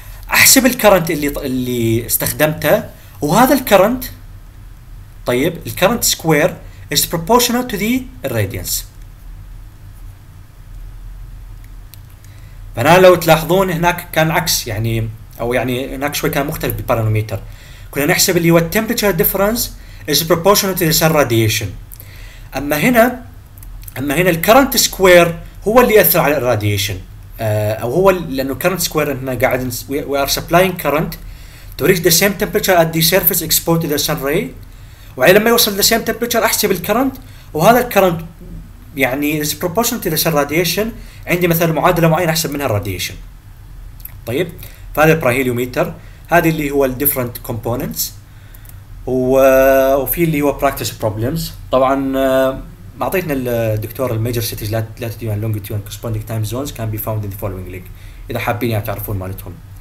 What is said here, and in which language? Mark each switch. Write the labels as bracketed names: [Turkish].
[Arabic] احسب الكرنت اللي استخدمته وهذا الكرنت طيب الكرنت سكوير [English] is proportional to the radians. [Arabic] فأنا لو تلاحظون هناك كان العكس يعني او يعني هناك شوي كان مختلف بالبارانوميتر. كنا نحسب اللي هو [English] temperature difference is proportional to the sun radiation. [Arabic] اما هنا الكرنت سكوير هو اللي يأثر على الراديشن او هو لانه كرنت سكوير هنا قاعد [English] we are supplying current to reach the same temperature at the surface exposed to the sun ray. [Arabic] وعلى لما يوصل [English] the same temperature [Arabic] احسب الكرنت وهذا الكرنت يعني [English] is proportional to the sun radiation. [Arabic] عندي مثلا معادلة معينة احسب منها الراديشن. طيب فهذا البراهيليوميتر هذه اللي هو الديفرنت كومبوننتس وفي اللي هو براكتس بروبلمز. طبعا ما اعطيتنا الدكتور [English] الميجر cities latitude and longitude corresponding time zones can be found in the following link [Arabic] اذا حابين يعني تعرفون مالتهم.